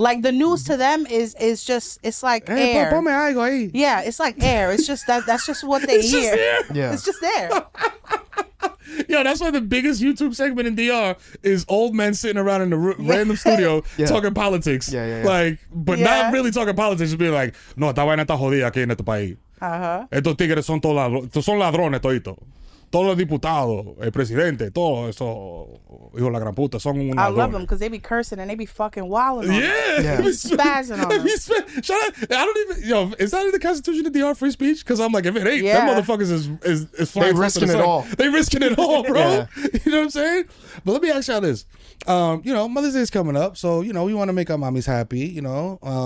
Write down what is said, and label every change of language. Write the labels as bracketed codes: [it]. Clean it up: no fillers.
[en] Like the news to them is just, it's like air. Yeah, it's like air. It's just that's just what they hear. It's just there. Yeah. It's just there. Yo, that's why the biggest YouTube segment in DR is old men sitting around in a random studio talking politics. Yeah. Like, but not really talking politics. Just being like, [es] no, esta vaina está jodida aquí en este país. Estos tigres son ladrones, todito. Todos los diputados, el presidente, todo eso, hijo de la gran puta, son unos ladrones. [en] I love them because they be cursing and they be fucking wilding on I don't even, yo, is that in the Constitution of DR, free speech? Because I'm like, if it ain't, that motherfuckers is flying. They risking it all. They risking it all, bro. Yeah. You know what I'm saying? But let me ask y'all this. You know, Mother's Day is coming up, so, you know, we want to make our mommies happy, you know.